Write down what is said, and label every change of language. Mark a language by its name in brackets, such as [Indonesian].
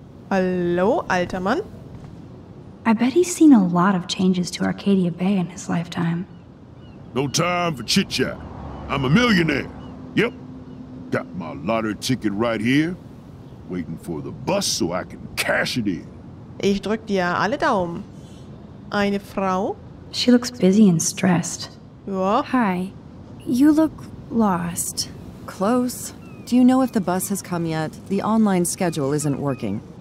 [German] Hallo, alter Mann. [English] I bet he's seen a lot of changes to Arcadia Bay in his lifetime. No time for chit-chat. I'm a millionaire. Yep. Got my lottery ticket right here. Waiting for the bus so I can cash it in. [German] Ich drück dir alle Daumen. Eine Frau? [English] She looks busy and stressed. [German] Ja. [English] Hi. You look lost. Close. Do you know if the bus has come yet? The online schedule isn't working.